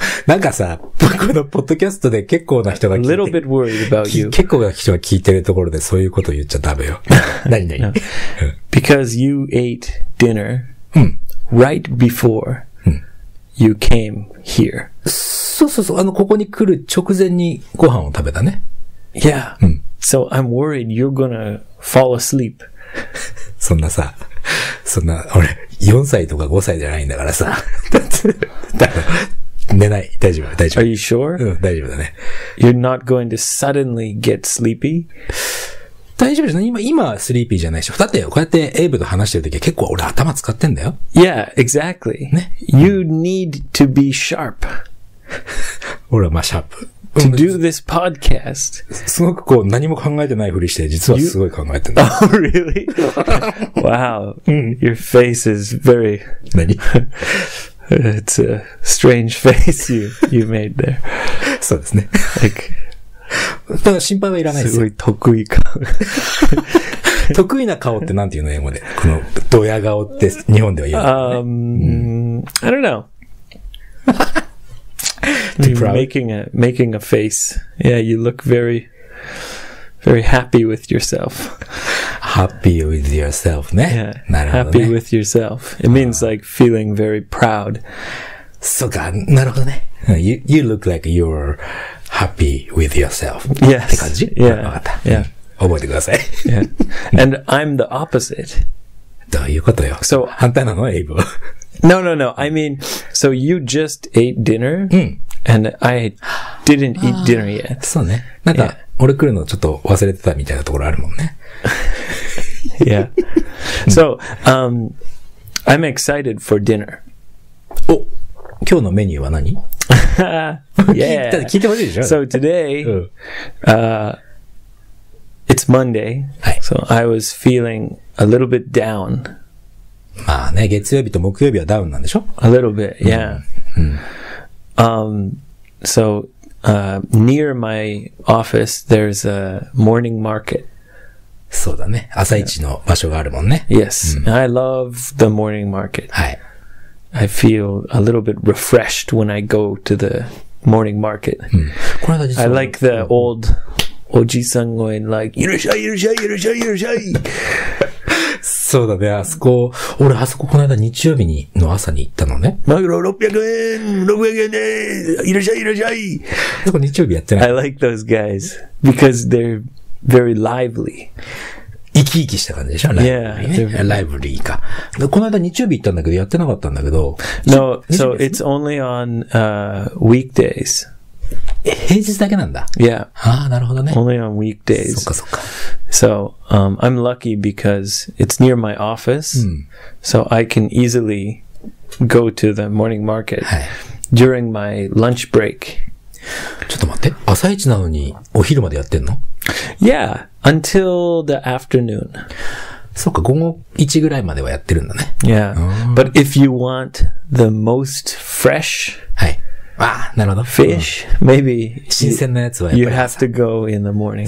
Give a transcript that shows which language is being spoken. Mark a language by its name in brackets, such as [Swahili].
[Japanese] なんかさ、このポッドキャストで結構な人が聞いてる。結構な人が聞いてるところでそういうこと言っちゃダメよ。何 [English] ？No. Because you ate dinner right before you came here. [Japanese] そうそうそう。ここに来る直前にご飯を食べたね。 [English] Yeah.、 [Japanese] うん、 [English] so I'm worried you're gonna fall asleep. [Japanese] そんなさ、そんな、俺、4歳とか5歳じゃないんだからさ。寝ない。大丈夫、大丈夫。 [English] Are you sure? [Japanese] うん、大丈夫だね。 [English] You're not going to suddenly get sleepy? [Japanese] 大丈夫じゃない？今はスリーピーじゃないでしょ。だって、こうやってエイブと話してるときは結構俺頭使ってんだよ。 [English] Yeah, exactly.、 [Japanese] ね、 [English] you need to be sharp. [Japanese] 俺はまあ、シャープ。 [English] To do this podcast. [Japanese] すごくこう、何も考えてないふりして、実はすごい考えてんだ。 [English] Oh, really? Wow. Your face is very... [Japanese] 何 [English] It's a strange face you made there. [Japanese] そうですね。 [English] Like, [Japanese] ただ心配はいらないですよ。すごい得意顔。得意な顔ってなんていうの英語で。このドヤ顔って日本では言えない、ね。 [English] I don't know. making a face. Yeah, you look very, very happy with yourself. Happy with yourself ね。 Yeah. [Japanese] なるほどね。 [English] Happy with yourself. It means like feeling very proud. [Japanese] そうか、なるほどね。 [English] You look like you're happy with yourself. Yes. [Japanese] って感じ？ [English] Yeah. [Japanese] わかった。 [English] Yeah. [Japanese] 覚えてください。 [English] Yeah. And I'm the opposite. [Japanese] どういうことよ。 [English] So, [Japanese] 反対なの？エイブ。 [English] No. I mean, so you just ate dinner, and I didn't eat dinner yet. [Japanese] そうね。なんか、俺来るのちょっと忘れてたみたいなところあるもんね。 [English] yeah. So, I'm excited for dinner. [Japanese] お、今日のメニューは何？ [English] yeah. [Japanese] 聞いてほしいでしょ？ [English] So today, 、it's Monday.、 [Japanese] はい、 [English] so I was feeling a little bit down. [Japanese] まあね、月曜日と木曜日はダウンなんでしょ？ [English] A little bit, yeah.、 [Japanese] うん [English] So, near my office, there's a morning market. [Japanese] そうだね。朝市の場所があるもんね。 [English] Yes.、うん、I love the morning market. [Japanese] はい。 [English] I feel a little bit refreshed when I go to the morning market.、 [Japanese] うん、これは実は [English] I like the old おじさん going like, [Japanese] いらっしゃい、いらっしゃい、いらっしゃい、いらっしゃい。そうだね、あそこ、俺あそここの間日曜日の朝に行ったのね。マグロ600円 !600 円でーす、いらっしゃい、いらっしゃい。そこ日曜日やってない。 [English] I like those guys, because they're very lively. [Japanese] 生き生きした感じでしょ、 [English] yeah, [Japanese] ライブリー、ね。ライブリーか。この間日曜日行ったんだけど、やってなかったんだけど。 [English] No, so it's only on, weekdays. [Japanese] 平日だけなんだ。 [English] Yeah. [Japanese] ああ、なるほどね。 [English] Only on weekdays. [Japanese] そっかそっか。 [English] So, I'm lucky because it's near my office,、 [Japanese] うん、 [English] so I can easily go to the morning market、 [Japanese] はい、 [English] during my lunch break. [Japanese] ちょっと待って、朝一なのにお昼までやってんの? [English] Yeah, until the afternoon. [Japanese] そうか、午後1ぐらいまではやってるんだね。 [English] Yeah, but if you want the most fresh、 [Japanese] はい、あ、なるほど。 [English] Fish,、うん、maybe [Japanese] 新鮮なやつはやっぱ [English] you have to go in the morning.